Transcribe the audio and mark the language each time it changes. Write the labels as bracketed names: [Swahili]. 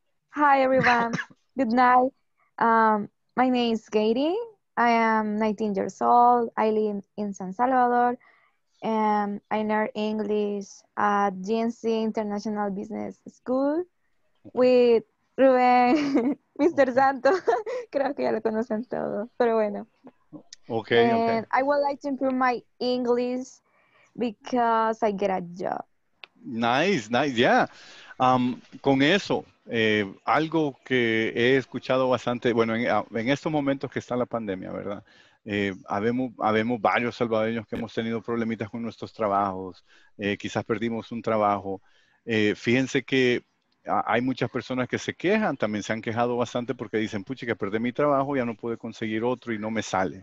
[English] Hi, everyone. Good night. My name is Katie. I am 19 years old. I live in San Salvador. And I learn English at GNC International Business School with Ruben, Mr. Santo. [Spanish] Creo que ya lo conocen todos, pero bueno. [English] Okay. And okay. I would like to improve my English because I get a job. Nice, nice. Yeah. [Spanish] Con eso, algo que he escuchado bastante, bueno, en estos momentos que está la pandemia, ¿verdad? Habemos varios salvadoreños que hemos tenido problemitas con nuestros trabajos, quizás perdimos un trabajo. Fíjense que hay muchas personas que se quejan, también se han quejado bastante porque dicen, puchi, que perdí mi trabajo, ya no pude conseguir otro y no me sale.